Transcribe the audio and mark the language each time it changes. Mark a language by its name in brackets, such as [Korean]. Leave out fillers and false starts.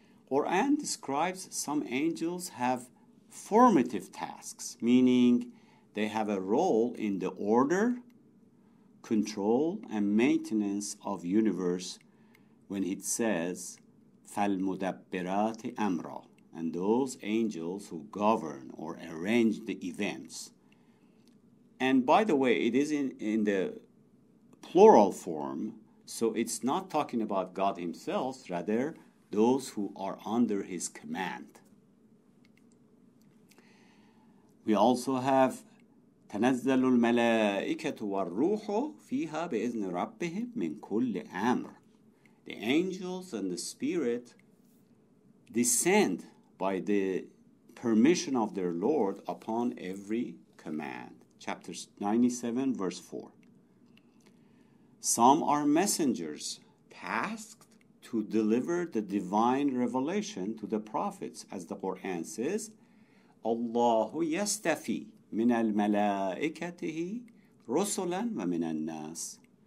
[English] Quran describes some angels have formative tasks, meaning they have a role in the order, control and maintenance of universe when it says [Arabic] فَالْمُدَبِّرَاتِ أَمْرًا, [English] and those angels who govern or arrange the events. And by the way, it is in the plural form, so it's not talking about God himself, rather those who are under his command. We also have [Arabic] تَنَزَّلُ الْمَلَائِكَةُ وَالْرُوحُ فِيهَا بِإِذْنِ رَبِّهِمْ مِنْ كُلِّ أَمْرٍ. [English] The angels and the spirit descend by the permission of their Lord upon every command. Chapter 97, verse 4. Some are messengers tasked to deliver the divine revelation to the prophets, as the Quran says, [Arabic] اللَّهُ يَسْتَفِي مِنَ الْمَلَائِكَتِهِ رُسُلًا وَمِنَ النَّاسِ.